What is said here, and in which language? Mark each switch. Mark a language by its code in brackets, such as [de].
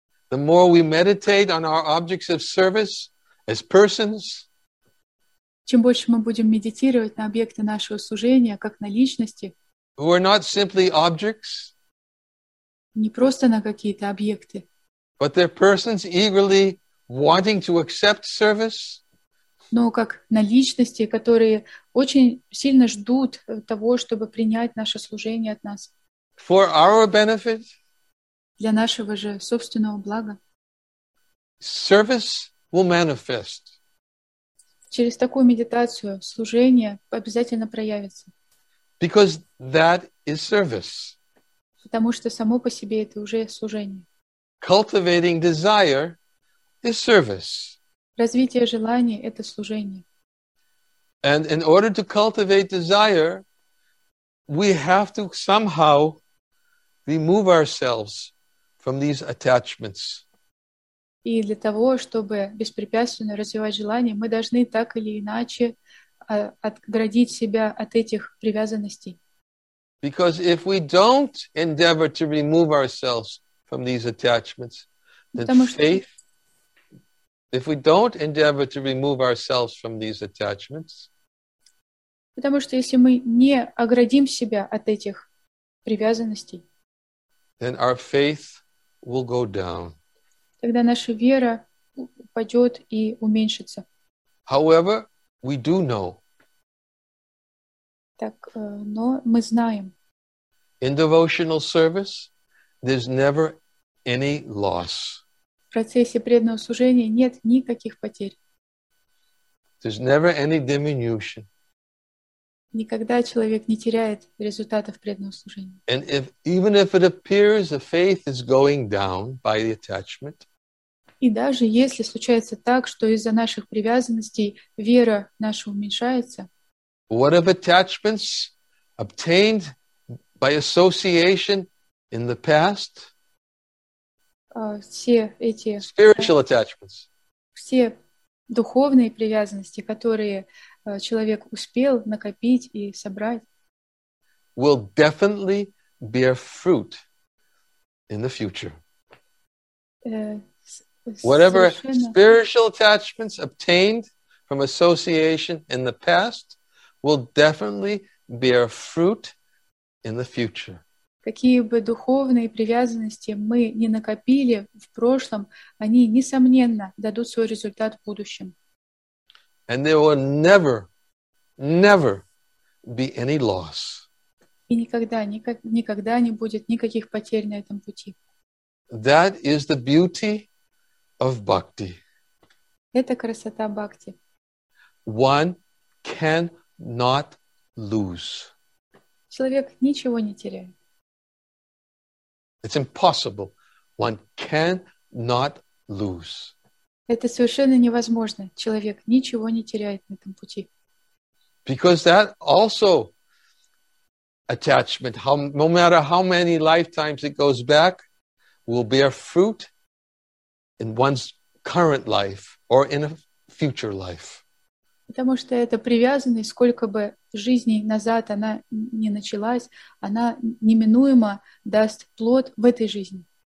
[en] The more we meditate on our objects of service as persons, [ru] чем больше мы будем медитировать на объекты нашего служения, как на личности, [en] who are not simply objects, [ru] не просто на какие-то объекты, [en] but they're persons eagerly wanting to accept service, [ru] но как на личности, которые очень сильно ждут того, чтобы принять наше служение от нас. [en] For our benefit, [ru] для нашего же собственного блага, [en] service will manifest. [ru] Через такую медитацию служение обязательно проявится. [en] Because that is service. [ru] Потому что само по себе это уже служение. [en] Cultivating desire is service. [ru] Развитие желания — это служение. [en] And in order to cultivate desire, we have to somehow remove ourselves from these attachments. [ru] И для того, чтобы беспрепятственно развивать желание, мы должны так или иначе отгородить себя от этих привязанностей. [en] Because if we don't endeavor to remove ourselves from these attachments, then faith, if we don't endeavor to remove ourselves from these attachments, [ru] потому что если мы не оградим себя от этих привязанностей, [en] then our faith will go down. [ru] Тогда наша вера упадет и уменьшится. [en] However, we do know. [ru] Так, но мы знаем. [en] In devotional service, there's never any loss. [ru] В процессе преданного служения нет никаких потерь. [en] There's never any diminution. [ru] Никогда человек не теряет результатов преданного служения. [en] And if, even if it appears the faith is going down by the attachment, [ru] и даже если случается так, что из-за наших привязанностей вера наша уменьшается, [en] what of attachments obtained by association in the past? [ru] Все эти [en] spiritual attachments. [ru] Все духовные привязанности, которые человек успел накопить и собрать, [en] will definitely bear fruit in the future. Whatever [ru] совершенно [en] spiritual attachments obtained from association in the past will definitely bear fruit in the future. [ru] Какие бы духовные привязанности мы ни накопили в прошлом, они, несомненно, дадут свой результат в будущем. [en] And there will never, never be any loss. [ru] И никогда, никогда не будет никаких потерь на этом пути. [en] That is the beauty of bhakti. [ru] Это красота бхакти. [en] One cannot lose. [ru] Человек ничего не теряет. [en] It's impossible. One cannot lose. [ru] Это совершенно невозможно. Человек ничего не теряет на этом пути. [en] Because that also attachment, how, no matter how many lifetimes it goes back, will bear fruit in one's current life or in a future life. [ru] Потому что эта привязанность, сколько бы жизней назад она не началась, она неминуемо даст плод в этой жизни.